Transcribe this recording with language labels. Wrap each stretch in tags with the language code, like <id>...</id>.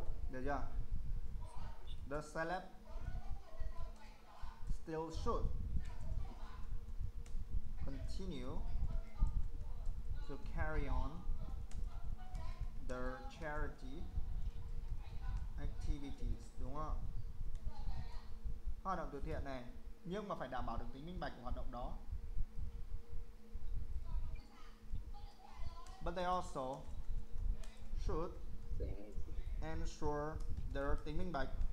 <en>Được chưa? The celeb still should continue to carry on their charity activities, đúng không?</en> <vi>Hoạt động từ thiện này, nhưng mà phải đảm bảo được tính minh bạch của hoạt động đó.</vi> <en>But they also should ensure their tính minh bạch.</en>